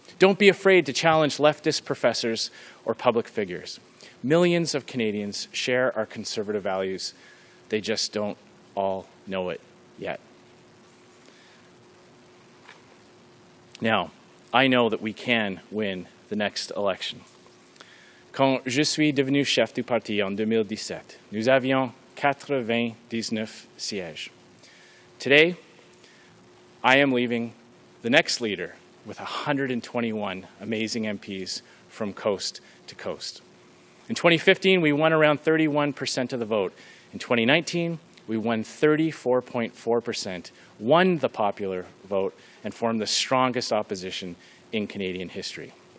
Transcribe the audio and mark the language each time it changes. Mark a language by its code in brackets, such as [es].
[en] Don't be afraid to challenge leftist professors or public figures. Millions of Canadians share our conservative values. They just don't all know it yet. Now, I know that we can win the next election. [fr] Quand je suis devenu chef du parti en 2017, nous avions 99 sièges. [en] Today, I am leaving the next leader with 121 amazing MPs from coast to coast. In 2015, we won around 31% of the vote. In 2019, we won 34.4%, won the popular vote, and formed the strongest opposition in Canadian history.